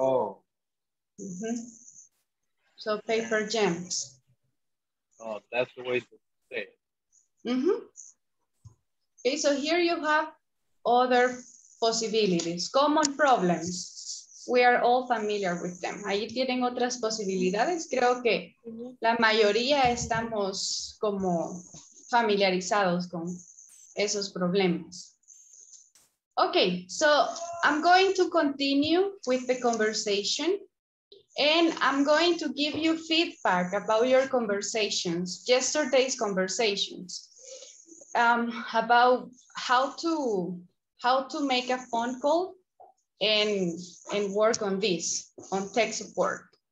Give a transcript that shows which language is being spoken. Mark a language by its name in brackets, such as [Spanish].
[English] Oh. Mm-hmm. So paper jams. Oh, that's the way to say it. Mm-hmm. Okay, so here you have other possibilities, common problems. We are all familiar with them. [Spanish] Ahí tienen otras posibilidades. Creo que la mayoría estamos como familiarizados con esos problemas. [English] Okay, so I'm going to continue with the conversation. And I'm going to give you feedback about your conversations, yesterday's conversations, about how to make a phone call and work on this, on tech support.